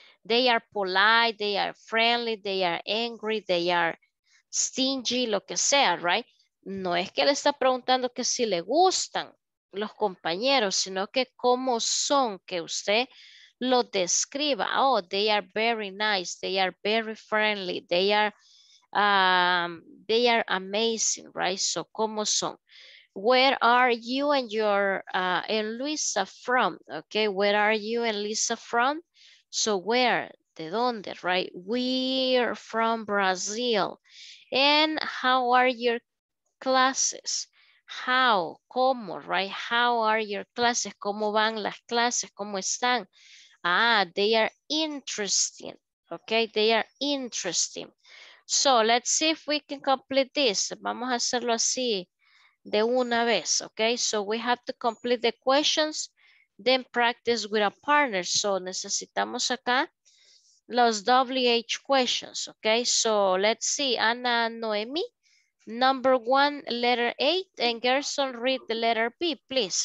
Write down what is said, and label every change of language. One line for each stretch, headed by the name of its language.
English: They are polite, they are friendly, they are angry, they are stingy,
Spanish: lo que sea,
English: right?
Spanish: No es que le está preguntando que si le gustan los compañeros, sino que cómo son, que usted lo describa.
English: Oh, they are very nice, they are very friendly, they are amazing, right? So,
Spanish: cómo son.
English: Where are you and your and Luisa from? Okay, where are you and Lisa from? So where,
Spanish: de donde,
English: right? We're from Brazil. And how are your classes? How,
Spanish: como,
English: right? How are your classes?
Spanish: Como van las clases? Como están?
English: Ah, they are interesting. Okay, they are interesting. So let's see if we can complete this.
Spanish: Vamos a hacerlo así de una vez, okay?
English: So we have to complete the questions, then practice with a partner.
Spanish: So necesitamos acá los WH questions, okay?
English: So let's see, Ana Noemi, number one, letter A, and Gerson, read the letter B, please.